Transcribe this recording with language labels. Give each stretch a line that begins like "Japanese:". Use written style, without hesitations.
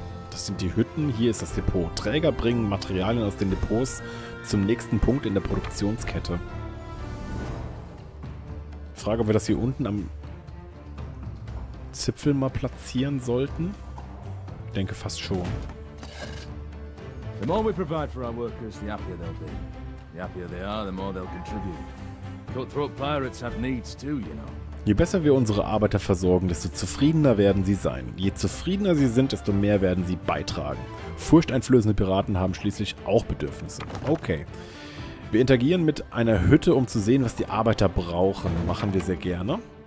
German: Das sind die Hütten. Hier ist das Depot. Träger bringen Materialien aus den Depots zum nächsten Punkt in der Produktionskette. Ich frage, ob wir das hier unten am Zipfel mal platzieren sollten. Ich denke fast schon.
English: The more we provide for our workers, the happier they'll be. The happier they are, the more they'll contribute. Cutthroat pirates have needs too, you know.
German: Je besser wir unsere Arbeiter versorgen, desto zufriedener werden sie sein. Je zufriedener sie sind, desto mehr werden sie beitragen. Furchteinflößende Piraten haben schließlich auch Bedürfnisse. Okay. Wir interagieren mit einer Hütte, um zu sehen, was die Arbeiter brauchen. Machen wir sehr gerne.